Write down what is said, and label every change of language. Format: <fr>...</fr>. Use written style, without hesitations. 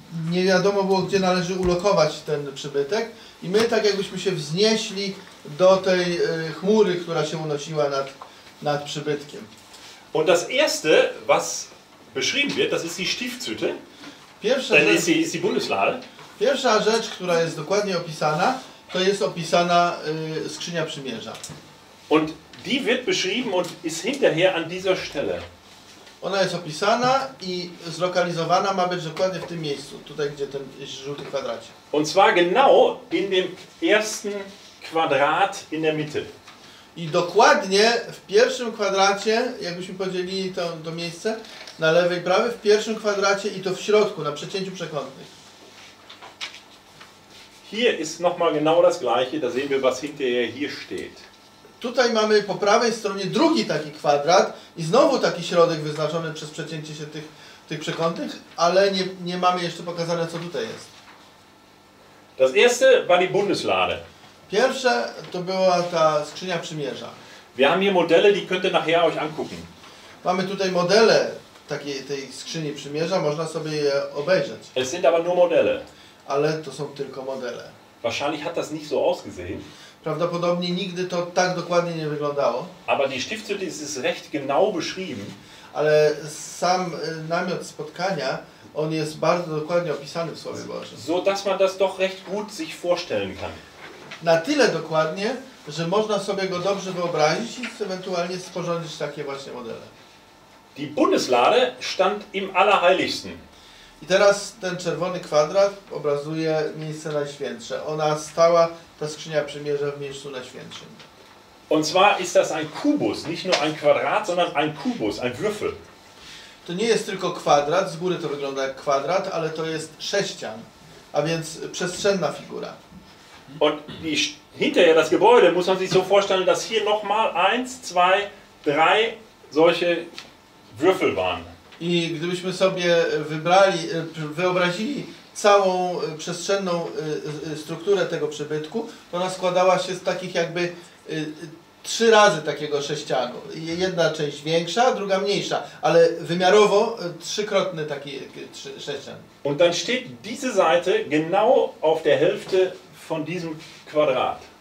<pl>Nie wiadomo było, gdzie należy ulokować ten przybytek i my tak jakbyśmy się wznieśli do tej chmury, która się unosiła nad, przybytkiem.</pl> <de>Und das erste, was beschrieben wird, das ist die Stiftshütte.</de> <pl>Pierwsza rzecz,</pl> <de>ist die Bundeslade.</de> <pl>Pierwsza rzecz, która jest dokładnie opisana, to jest opisana skrzynia przymierza.</pl> <de>Und die wird beschrieben und ist hinterher an dieser Stelle.</de> <pl>Ona jest opisana i zlokalizowana ma być dokładnie w tym miejscu, tutaj gdzie ten żółty kwadracie.</pl> <de>Und zwar genau in dem ersten Quadrat in der Mitte.</de> <pl>I dokładnie w pierwszym kwadracie, jakbyśmy podzielili to, miejsce, na lewej, prawej, w pierwszym kwadracie i to w środku, na przecięciu przekątnych.</pl> <de>Hier ist nochmal genau das gleiche, da sehen wir, was hinterher hier steht.</de> <pl>Tutaj mamy po prawej stronie drugi taki kwadrat i znowu taki środek wyznaczony przez przecięcie się tych, przekątnych, ale nie, mamy jeszcze pokazane, co tutaj jest.</pl> <de>Das erste war die Bundeslade.</de> <pl>Pierwsze to była ta skrzynia przymierza.</pl> <de>Wir haben hier Modelle, die könnt ihr nachher euch angucken.</de> <pl>Mamy tutaj modele takiej, tej skrzyni przymierza, można sobie je obejrzeć.</pl> <de>Es sind aber nur Modelle.</de> <pl>Ale to są tylko modele.</pl> <de>Wahrscheinlich hat das nicht so ausgesehen.</de> <pl>Prawdopodobnie nigdy to tak dokładnie nie wyglądało.</pl> <de>Aber die Stiftshütte ist recht genau beschrieben.</de> <pl>Ale sam namiot spotkania, on jest bardzo dokładnie opisany w Słowie Bożym.</pl> <de>So dass man das doch recht gut sich vorstellen kann.</de> <pl>Na tyle dokładnie, że można sobie go dobrze wyobrazić i ewentualnie sporządzić takie właśnie modele.</pl> <de>Die Bundeslade stand im Allerheiligsten.</de> <pl>I teraz ten czerwony kwadrat obrazuje miejsce najświętsze. Ona stała, ta skrzynia przymierza, w miejscu najświętszym.</pl> <de>Und zwar ist das ein Kubus, nicht nur ein Quadrat, sondern ein Kubus, ein Würfel.</de> <pl>To nie jest tylko kwadrat, z góry to wygląda jak kwadrat, ale to jest sześcian, a więc przestrzenna figura. Und die, hinterher das Gebäude muss man sich so vorstellen, dass hier nochmal eins, zwei, drei solche Würfel waren. I gdybyśmy sobie wybrali, wyobrazili całą przestrzenną strukturę tego przybytku, to ona składała się z takich jakby trzy razy takiego sześcianu. Jedna część większa, druga mniejsza, ale wymiarowo trzykrotny taki sześcian.</pl> <de>Und dann steht diese Seite genau auf der Hälfte von diesem Quadrat.</de>